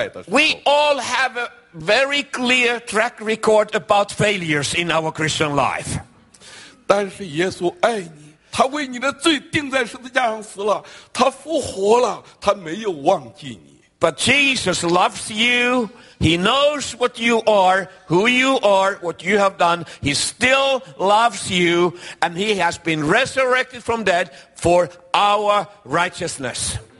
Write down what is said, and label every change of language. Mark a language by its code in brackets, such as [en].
[en] We all have a very clear track record about failures in our Christian life. [zh] 但是耶稣爱你, 祂为你的罪钉在十字架上死了, 祂复活了, 祂没有忘记你。 [en] But Jesus loves you. He knows what you are, who you are, what you have done. He still loves you, and he has been resurrected from dead for our righteousness.